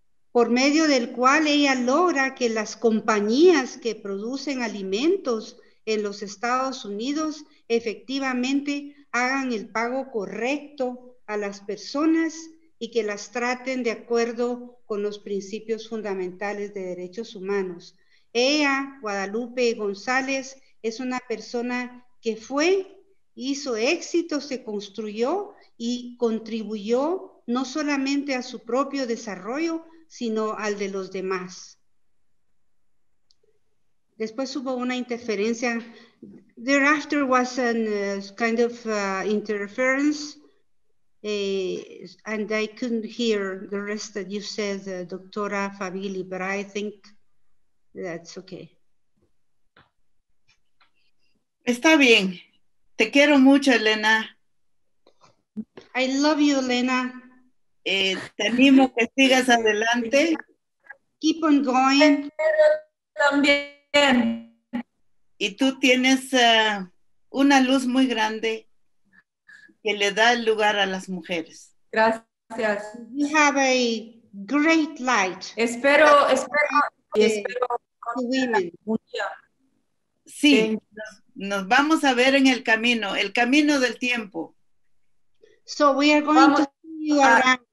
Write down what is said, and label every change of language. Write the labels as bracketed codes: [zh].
[es] por medio del cual ella logra que las compañías que producen alimentos en los Estados Unidos efectivamente hagan el pago correcto a las personas y que las traten de acuerdo con los principios fundamentales de derechos humanos. Ella, Guadalupe González, Es una persona que fue, hizo éxito, se construyó y contribuyó no solamente a su propio desarrollo, sino al de los demás. Después hubo una interferencia. [en] Thereafter was a kind of interference, and I couldn't hear the rest that you said, Doctora Favilli, but I think that's okay. [es] Está bien. Te quiero mucho, Elena. [en] I love you, Elena. [es] Te animo que sigas adelante. [en] Keep on going. [es] También. Y tú tienes una luz muy grande que le da lugar a las mujeres. Gracias. [en] You have a great light. [es] Espero. [en] To women. [es] Sí. Nos vamos a ver en el camino del tiempo. [en] So we are going to see you around